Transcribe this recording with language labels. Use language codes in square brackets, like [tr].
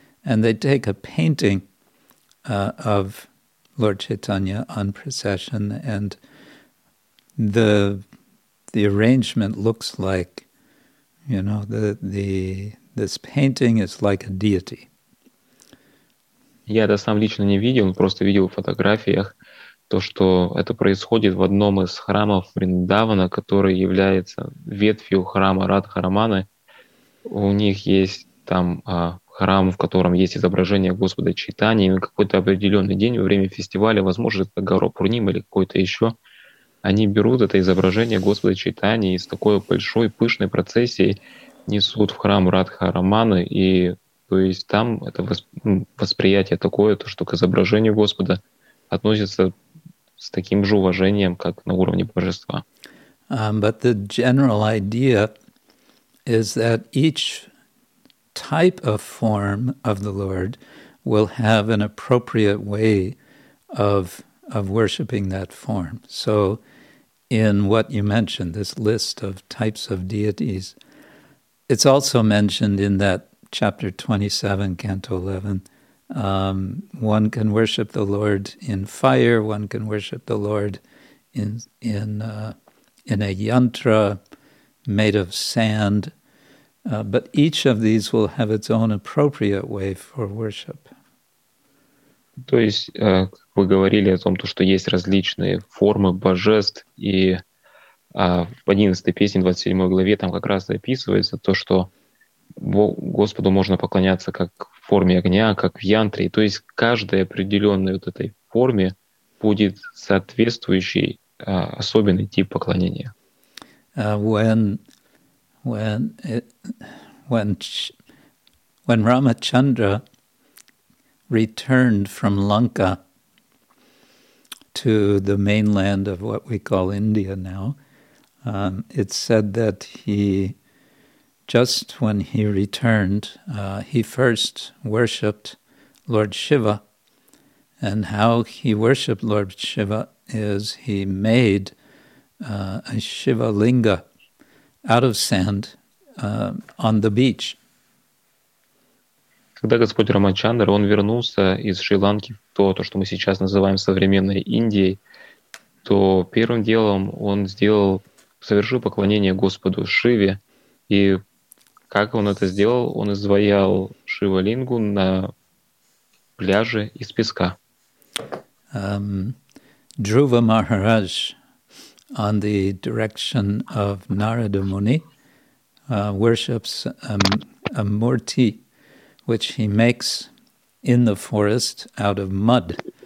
[en] And they take a painting of Lord Chaitanya on procession, and the arrangement looks like, you know, this painting is like a deity. [ru] Я это сам лично не видел, просто видел в фотографиях то, что это происходит в одном из храмов Вриндавана, который является ветвью храма Радхараманы. У них есть там храм, в котором есть изображение Господа Чайтани, и на какой-то определенный день во время фестиваля, возможно, это Гаро Пурним или какой-то еще, они берут это изображение Господа Чайтани и с такой большой пышной процессией несут в храм Радхараманы, и то есть там это восприятие такое, то, что к изображению Господа относится с таким же уважением, как на уровне божества. [en] But the general idea is that each type of form of the Lord will have an appropriate way of worshiping that form. So in what you mentioned, this list of types of deities, it's also mentioned in that chapter 27, canto 11, one can worship the Lord in fire, one can worship the Lord in a yantra made of sand. But each of these will have its own appropriate way for worship. [ru] То есть, как вы говорили о том, то, что есть различные формы божеств, и в 11-й песне, 27-й главе, там как раз описывается то, что Господу можно поклоняться как в форме огня, как в янтре. То есть, каждой определенной вот этой форме будет соответствующий особенный тип поклонения. [en] When when Ramachandra returned from Lanka to the mainland of what we call India now, it's said that he, just when he returned, he first worshipped Lord Shiva. And how he worshipped Lord Shiva is he made a Shiva Linga out of sand on the beach. [ru] Когда Господь Рамачандра, он вернулся из Шри-Ланки, то, что мы сейчас называем современной Индией, то первым делом он сделал, совершил поклонение Господу Шиве. И как он это сделал? Он изваял Шива-лингу на пляже из песка. [en] Dhruva Maharaj, on the direction of Narada Muni, worships a murti, which he makes in the forest out of mud.